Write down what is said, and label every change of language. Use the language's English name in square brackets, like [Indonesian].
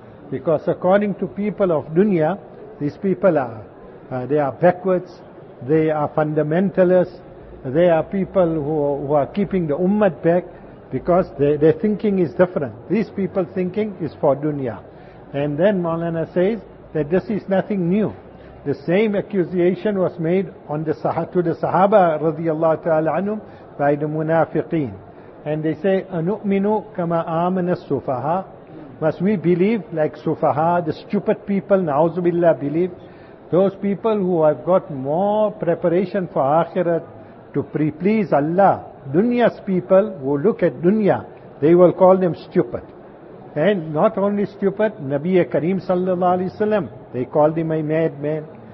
[English] Because according to people of dunya, these people are, they are backwards, they are fundamentalists, they are people who are keeping the ummah back, because their thinking is different. These people's thinking is for dunya. And then Maulana says that this is nothing new. The same accusation was made on the to the Sahaba radiallahu ta'ala anhum by the munafiqeen. [Arabic] And they say, أَنُؤْمِنُ كَمَا آمَنَ السُّفَهَا. [English] Must we believe like sufaha, the stupid people, na'uzu billah, believe? Those people who have got more preparation for akhirat to please Allah. Dunya's people who look at dunya, they will call them stupid. And not only stupid, Nabi Kareem sallallahu alayhi wa sallam, they called him a madman.